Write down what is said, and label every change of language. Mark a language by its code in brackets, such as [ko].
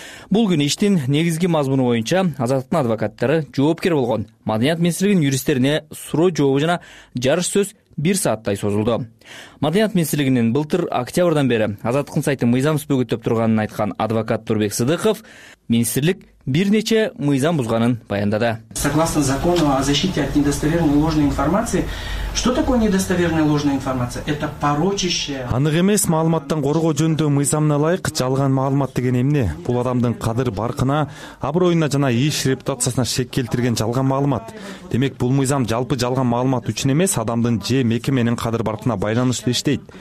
[ky] Бул күнү иштин негизги мазмуну боюнча Азаттыктын адвокаттары жоопкер болгон Маданият министрлигинин юристтерине суроо жообу жана жарыш сөз 1 сааттай созулду. Маданият министрлигинин былтыр октябрдан бери Азаттыктын сайты мыйзамсыз бөгөттөп турганын айткан адвокат Турбек Сыдыков министрлик бир нече мыйзам бузганын баяндады. [ru] Согласно закону о защите от недостоверной ложной информации, что такое недостоверная ложная информация? Это порочащая. [ky] Анык эмес маалыматтан коргоо жөнүндө мыйзамына ылайык жалган маалымат деген эмне? Бул адамдын кадыр баркына, аброюна жана иш репутациясына шек келтирген жалган маалымат. Демек бул мыйзам жалпы жалган маалымат үчүн эмес, адамдын же мекеменин кадыр баркына байланыштуу иштейт.